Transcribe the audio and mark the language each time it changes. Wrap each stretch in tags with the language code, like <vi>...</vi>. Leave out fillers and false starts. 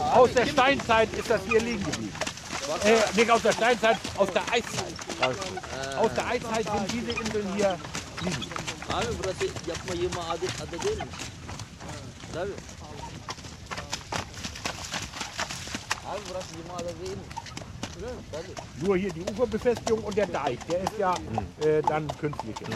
<de>aus der Steinzeit ist das hier liegen geblieben. Nicht aus der Steinzeit, aus der Eiszeit. Aus der Eiszeit sind diese Inseln hier liegen.</de> <tr>Abi burası yapma yığma adet adı değil mi? Tabii. Abi burası yığma adet değil mi?</tr> <de>Nur hier die Uferbefestigung und der Deich, der ist ja dann künstlich.</de>